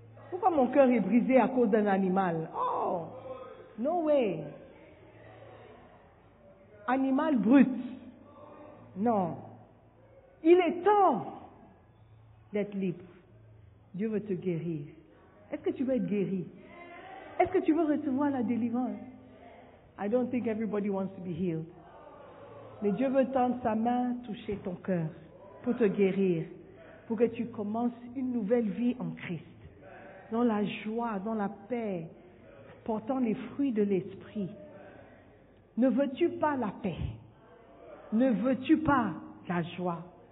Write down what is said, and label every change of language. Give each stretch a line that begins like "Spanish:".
French: Pourquoi mon cœur est brisé à cause d'un animal?
English: Oh, no way.
French: Animal brut. Non. Il est temps d'être libre. Dieu veut te guérir. Est-ce que tu veux être guéri? Est-ce que tu veux recevoir la délivrance?
English: I don't think everybody wants to be healed.
French: Mais Dieu veut tendre sa main, toucher ton cœur pour te guérir, pour que tu commences une nouvelle vie en Christ, dans la joie, dans la paix, portant les fruits de l'Esprit. Ne veux-tu pas la paix? Ne veux-tu pas la joie?